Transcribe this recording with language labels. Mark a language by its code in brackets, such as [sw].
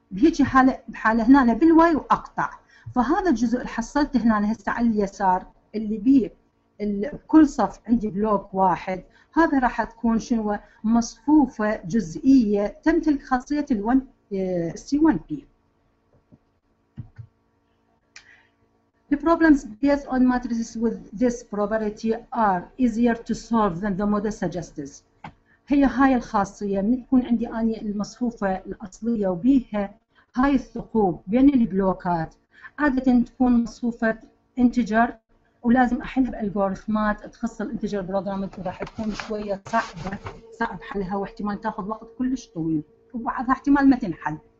[ar] بهيجي حالة هنا بالواي وأقطع، فهذا الجزء اللي حصلته هنا هسه على اليسار اللي بيه كل صف عندي بلوك واحد، هذا راح تكون شنو؟ مصفوفة جزئية تمتلك خاصية الـ C1P. [en] The problems based on matrices with this probability are easier to solve than the model suggests. [ar] هي هاي الخاصية، من تكون عندي أني المصفوفة الأصلية وبيها هاي الثقوب بين البلوكات، عادة تكون مصفوفة انتجر ولازم أحلها بألغوريثمات تخص الانتجر بروجرامينج، وراح تكون شوية صعب حلها، واحتمال تاخذ وقت كلش طويل، وبعضها احتمال ما تنحل.